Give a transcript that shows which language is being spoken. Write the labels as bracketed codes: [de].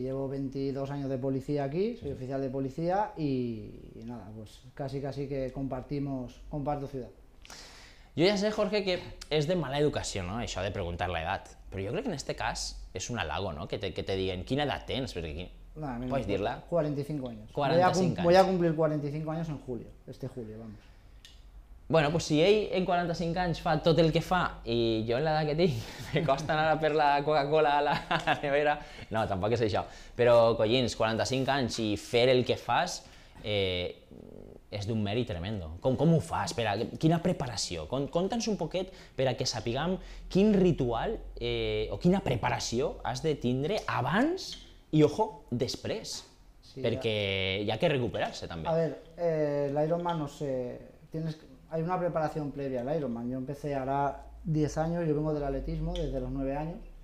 [es] Llevo 22 años de policía aquí, soy oficial de policía y nada, pues casi casi que comparto ciudad. [ca] Jo ja sé, Jorge, que és de mala educació, no?, això de preguntar l'edat. Però jo crec que en este cas és un halago, no?, que te diguen quina edat tens, perquè aquí... Pots dir-la? [es] 45 años. [ca] 45 anys. [es] Voy a cumplir 45 años en julio, este julio, vamos. [ca] Bueno, pues si ell en 45 anys fa tot el que fa i jo en l'edat que tinc me costa anar per la Coca-Cola a la nevera, no, tampoc és això, però collins, 45 anys i fer el que fas és d'un mèrit tremendo. Com ho fas? Quina preparació? Conta'ns un poquet per a que sapiguem quin ritual o quina preparació has de tindre abans i, ojo, després, perquè hi ha que recuperar-se també. [es] A ver, l'Ironman, no sé, tienes... Hay una preparación previa al Ironman. Yo empecé ahora 10 años, yo vengo del atletismo desde los 9 años.